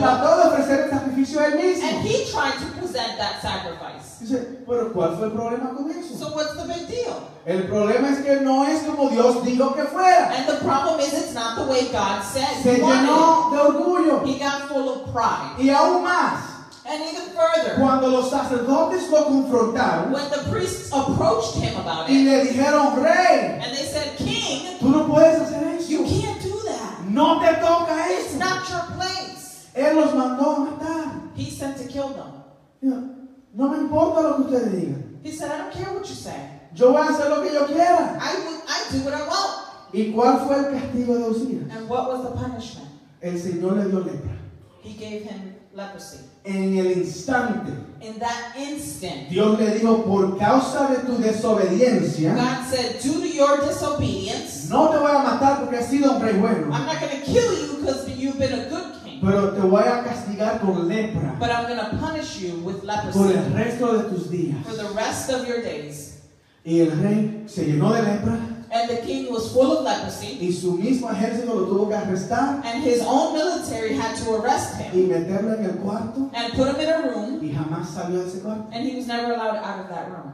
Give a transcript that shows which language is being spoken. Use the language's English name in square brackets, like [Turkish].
[Spanish] Y trató de ofrecer el sacrificio él mismo. [English] And he tried to present that sacrifice. [Spanish] Dice, pero ¿cuál fue el problema con eso? [English] So what's the big deal? [Spanish] El problema es que no es como Dios dijo que fuera. [English] And the problem is it's not the way God said. [Spanish] Se llenó de orgullo. [English] He got full of pride. [Spanish] Y aún más. [English] And And even further, [Spanish] cuando los sacerdotes lo confrontaron, [English] when the priests approached him about it, [Spanish] y le dijeron, Rey, [English] and they said, King, [Spanish] tú no puedes hacer eso. [English] You can't do that. [Spanish] No te toca eso. [English] It's not your place. [Spanish] Él los mandó a matar. [English] He sent to kill them. [Spanish] Yeah. No me importa lo que ustedes digan. [English] He said, I don't care what you say. [Spanish] Yo voy a hacer lo que yo quiera. [English] I do what I want. [Spanish] ¿Y cuál fue el castigo de Osías? [English] And what was the punishment? [Spanish] El Señor le dio lepra. [English] He gave him leprosy. [Spanish] En el instante, [English] in that instant, [Spanish] Dios le dijo, por causa de tu desobediencia, [English] God said, due to your disobedience, [Spanish] no te voy a matar porque has sido hombre bueno. [English] I'm not going to kill you because you've been a good king. [Spanish] Pero te voy a castigar con lepra. [English] But I'm going to punish you with leprosy. [Spanish] Por el resto de tus días. [English] For the rest of your days. [Spanish] Y el rey se llenó de lepra. [English] And the king was full of leprosy. [Spanish] Y su mismo ejército lo tuvo que arrestar. [English] And his own military had to arrest him. [Spanish] Y meterlo en el cuarto. [English] And put him in a room. [Spanish] Y jamás salió de ese cuarto. [English] And he was never allowed out of that room.